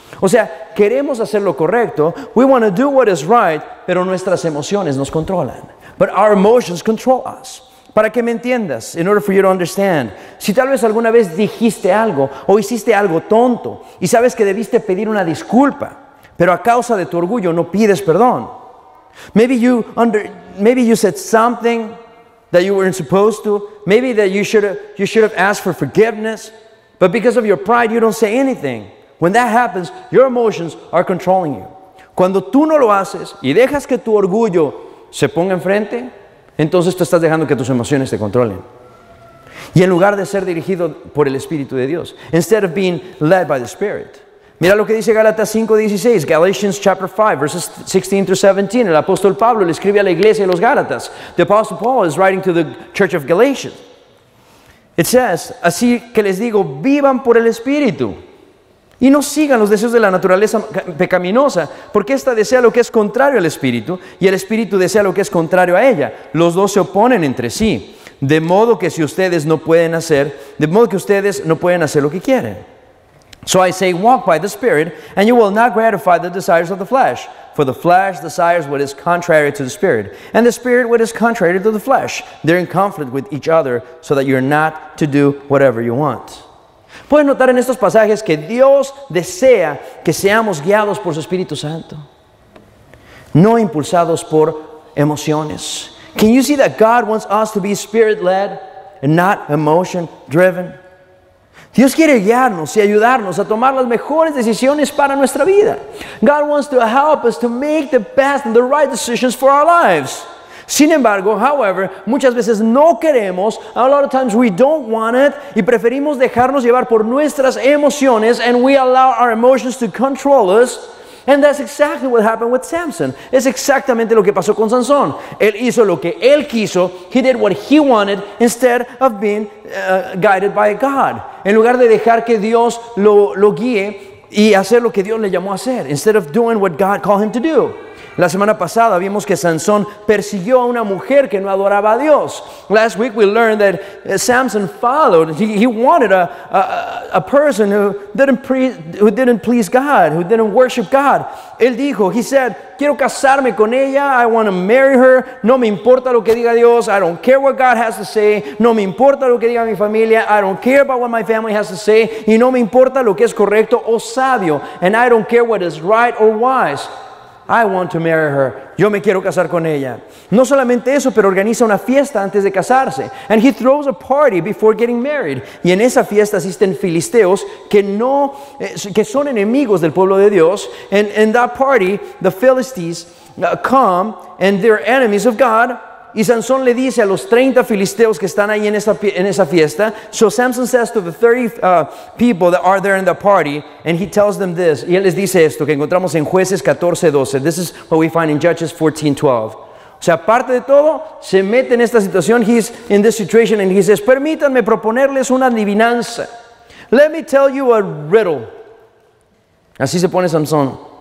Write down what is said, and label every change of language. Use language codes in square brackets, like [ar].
[es] O sea, queremos hacer lo correcto, [en] we want to do what is right, [es] pero nuestras emociones nos controlan. [en] But our emotions control us. [es] Para que me entiendas, [en] in order for you to understand, [es] si tal vez alguna vez dijiste algo, o hiciste algo tonto, y sabes que debiste pedir una disculpa, pero a causa de tu orgullo no pides perdón. [en] Maybe you said something that you weren't supposed to. Maybe that you should have asked for forgiveness. But because of your pride, you don't say anything. When that happens, your emotions are controlling you. [es] Cuando tú no lo haces y dejas que tu orgullo se ponga enfrente, entonces tú estás dejando que tus emociones te controlen. Y en lugar de ser dirigido por el Espíritu de Dios. [en] Instead of being led by the Spirit. [es] Mira lo que dice Gálatas 5:16, [en] Galatians chapter 5, verses 16 through 17. [es] El apóstol Pablo le escribe a la iglesia de los Gálatas. [en] The apostle Paul is writing to the church of Galatians. It says, [es] así que les digo, vivan por el Espíritu. Y no sigan los deseos de la naturaleza pecaminosa, porque esta desea lo que es contrario al Espíritu, y el Espíritu desea lo que es contrario a ella. Los dos se oponen entre sí. De modo que si ustedes no pueden hacer, de modo que ustedes no pueden hacer lo que quieren. [en] So I say, walk by the Spirit, and you will not gratify the desires of the flesh. For the flesh desires what is contrary to the Spirit, and the Spirit what is contrary to the flesh. They're in conflict with each other, so that you're not to do whatever you want. [es] Puedes notar en estos pasajes que Dios desea que seamos guiados por su Espíritu Santo, no impulsados por emociones. [en] Can you see that God wants us to be spirit-led and not emotion-driven? [es] Dios quiere guiarnos y ayudarnos a tomar las mejores decisiones para nuestra vida. [en] God wants to help us to make the best and the right decisions for our lives. [es] Sin embargo, [en] however, [es] muchas veces no queremos, [en] a lot of times we don't want it, [es] y preferimos dejarnos llevar por nuestras emociones, [en] and we allow our emotions to control us. And that's exactly what happened with Samson. [es] Es exactamente lo que pasó con Sansón. Él hizo lo que él quiso. [en] He did what he wanted instead of being guided by God. [es] En lugar de dejar que Dios lo guíe y hacer lo que Dios le llamó a hacer. [en] Instead of doing what God called him to do. [es] La semana pasada vimos que Sansón persiguió a una mujer que no adoraba a Dios. [en] Last week we learned that Samson followed. He wanted a person who didn't please God, who didn't worship God. [es] Él dijo, [en] he said, [es] quiero casarme con ella. [en] I want to marry her. [es] No me importa lo que diga Dios. [en] I don't care what God has to say. [es] No me importa lo que diga mi familia. [en] I don't care about what my family has to say. [es] Y no me importa lo que es correcto o sabio. [en] And I don't care what is right or wise. I want to marry her. [es] Yo me quiero casar con ella. No solamente eso, pero organiza una fiesta antes de casarse. [en] And he throws a party before getting married. [es] Y en esa fiesta asisten filisteos que son enemigos del pueblo de Dios. [en] And in that party, the Philistines come and they're enemies of God. [es] Y Sansón le dice a los 30 filisteos que están ahí en esa fiesta. [en] So Samson says to the 30 people that are there in the party, and he tells them this. [es] Y él les dice esto, que encontramos en Jueces 14:12. [en] This is what we find in Judges 14:12. [es] O sea, aparte de todo, se mete en esta situación. [en] He's in this situation and he says, [es] permítanme proponerles una adivinanza. [en] Let me tell you a riddle. [es] Así se pone Sansón.